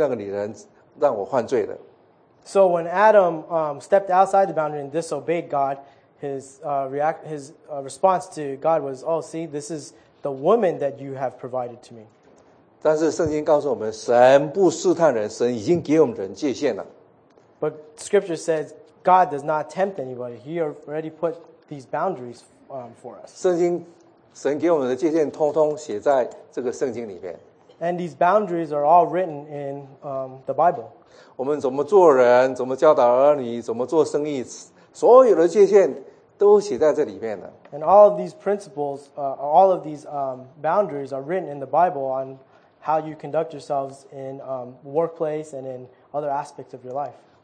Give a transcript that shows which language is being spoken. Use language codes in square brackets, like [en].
[zh] 所以你看看，当亚当夏娃犯罪以后，他们没有尊重神给他的那个界限，反而说啊，是你给我那个女人与我同居那个女人让我犯罪的。So [en] when Adam stepped outside the boundary and disobeyed God, his response to God was, "Oh, see, this is the woman that you have provided to me." [zh] 但是圣经告诉我们，神不试探人，神已经给我们人界限了。But [en] Scripture says. God does not tempt anybody. He already put these boundaries for us. [zh] 圣经, 神给我们的界限通通写在这个圣经里面。 [en] And these boundaries are all written in the Bible. [zh] 我们怎么做人，怎么教导儿女，怎么做生意， 所有的界限都写在这里面了。 [en] And all of these principles, all of these boundaries are written in the Bible on how you conduct yourselves in workplace and in other aspects of your life.